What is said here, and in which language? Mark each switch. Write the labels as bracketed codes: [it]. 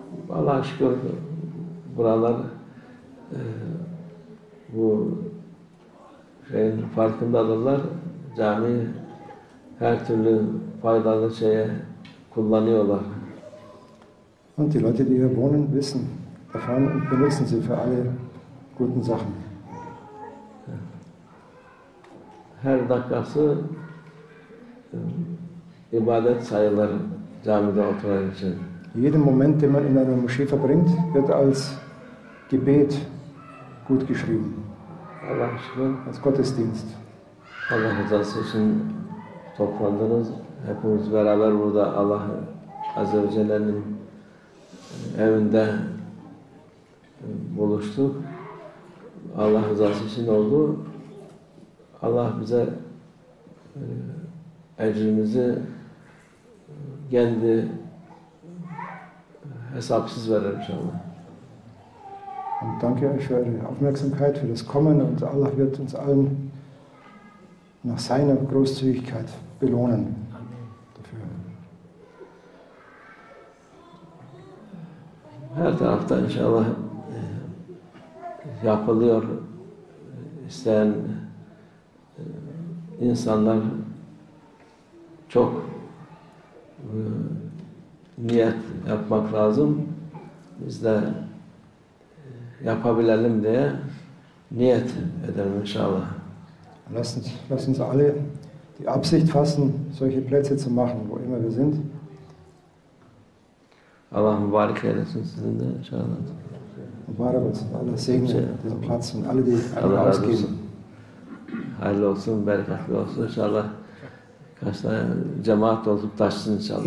[tr] Allah'a şükür, buralar bu şeyin farkındadırlar. Cami her türlü faydalı şeye kullanıyorlar. [de] Und die Leute, die hier wohnen, wissen davon und benutzen sie für alle guten Sachen. [tr] Her dakikası ibadet sayılır camide oturan için. [de] Jeden Moment, den man in einer Moschee verbringt, wird als Gebet gut geschrieben. [tr] Allah şükür. [de] Als Gottesdienst. [tr] Allah rızası için toplandınız. Hepimiz beraber burada Allah Azze ve Celle'nin evinde buluştuk. Allah rızası için oldu. Allah bize ecrimizi kendi hesapsız verir inşallah. [de] Und danke euch für eure Aufmerksamkeit, für das Kommen und Allah wird uns allen nach seiner Großzügigkeit belohnen. [tr] Her tarafta inşallah yapılıyor. İsteyen insanlar çok niyet yapmak lazım. Biz de yapabilelim diye niyet edelim inşallah. [de] Lass uns alle die Absicht fassen, solche Plätze zu machen, wo immer wir sind. [tr] Allah mübarek eylesin sizin de inşallah. Mübarek olsun. [de] Allah segne diesen Platz und alle, die alle ausgeben. [tr] Hayırlı olsun, bereketli olsun inşallah. Kaç tane cemaat olup taşsın inşallah.